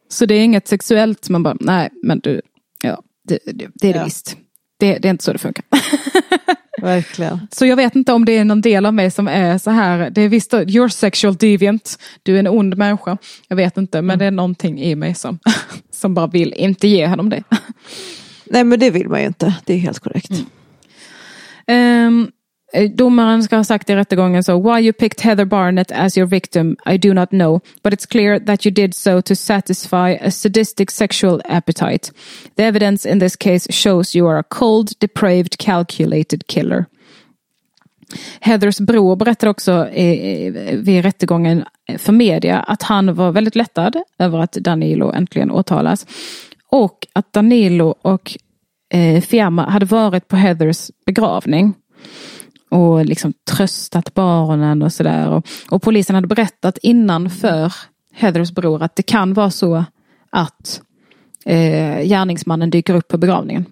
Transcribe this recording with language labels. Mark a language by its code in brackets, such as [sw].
[sv] Så det är inget sexuellt. Man bara, nej men du, ja. Det är det visst. Det är inte så det funkar. Verkligen. Så jag vet inte om det är någon del av mig som är så här. Det är visst, [en] you're sexual deviant. [sv] Du är en ond människa. Jag vet inte, men det är någonting i mig som bara vill inte ge honom det. Nej, men det vill man ju inte. Det är helt korrekt. Mm. Domaren ska ha sagt i rättegången så, [en] why you picked Heather Barnett as your victim, I do not know, but it's clear that you did so to satisfy a sadistic sexual appetite. The evidence in this case shows you are a cold, depraved, calculated killer. [sv] Heathers bror berättade också vid rättegången för media att han var väldigt lättad över att Danilo äntligen åtalas och att Danilo och Fiamma hade varit på Heathers begravning. Och liksom tröstat barnen och sådär. Och polisen hade berättat innan för Heathers bror att det kan vara så att gärningsmannen dyker upp på begravningen.